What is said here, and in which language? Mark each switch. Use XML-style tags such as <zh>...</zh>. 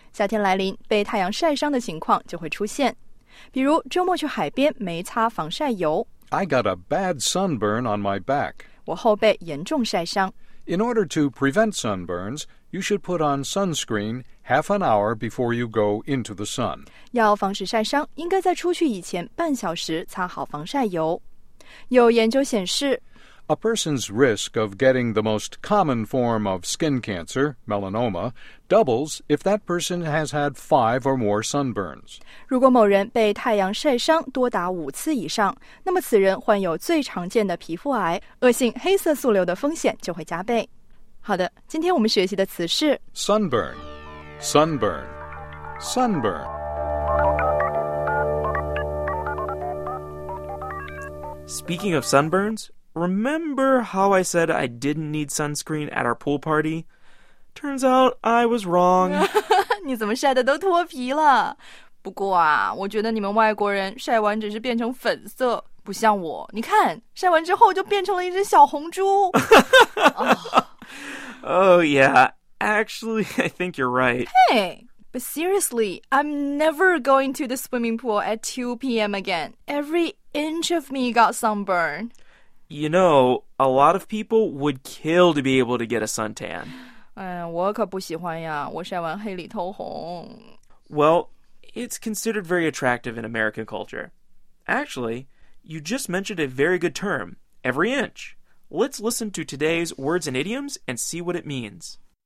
<zh>夏天来临，被太阳晒伤的情况就会出现。比如周末去海边没擦防晒油。</zh> <en>I got a bad sunburn on my back.</en> <zh>我后背严重晒伤。</zh> <en>In order to prevent sunburns, you should put on sunscreen half an hour before you go into the sun.</en> <zh>要防止晒伤，应该在出去以前半小时擦好防晒油。有研究显示</zh> <en>，A person's risk of getting the most common form of skin cancer, melanoma, doubles if that person has had 5 or more sunburns.</en> <zh>如果某人被太阳晒伤多达5次以上，那么此人患有最常见的皮肤癌，恶性黑色素瘤的风险就会加倍。好的，今天我们学习的词是</zh> <en>sunburn, sunburn, sunburn. Speaking of sunburns, remember how I said I didn't need sunscreen at our pool party? Turns out I was wrong.</en> <zh>你怎么晒得都脱皮了？不过啊，我觉得你们外国人晒完只是变成粉色，不像我。你看，晒完之后就变成了一只小红猪。</zh> <en>Oh, yeah. Actually, I think you're right. Hey, but seriously, I'm never going to the swimming pool at 2 p.m. again. Every inch of me got sunburn. You know, a lot of people would kill to be able to get a suntan.</en> <zh>我可不喜欢呀，我晒完黑里透红。</zh> <en>Well, it's considered very attractive in American culture. Actually, you just mentioned a very good term, every inch. Let's listen to today's words and idioms and see what it means.</en>